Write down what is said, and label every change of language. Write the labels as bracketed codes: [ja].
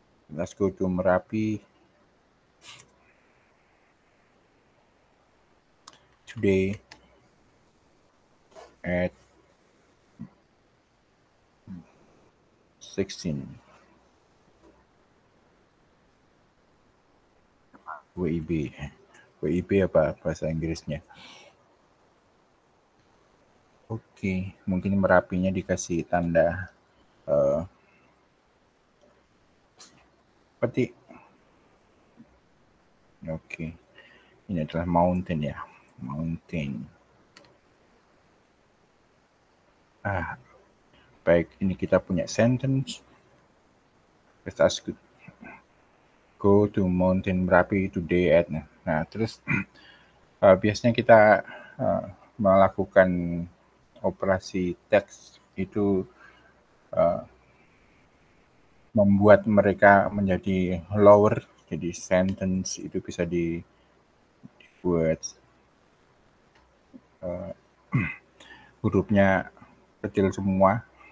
[en] Let's go to Merapi today at 16 WIB. [id] WIP apa bahasa Inggrisnya? Oke, mungkin Merapinya dikasih tanda petik. Oke, ini adalah mountain ya, mountain. Ah, baik, ini kita punya sentence. [en] Let us go to Mountain Merapi today at. [id] Nah, terus biasanya kita melakukan operasi teks itu membuat mereka menjadi lower. Jadi sentence itu bisa dibuat hurufnya kecil semua.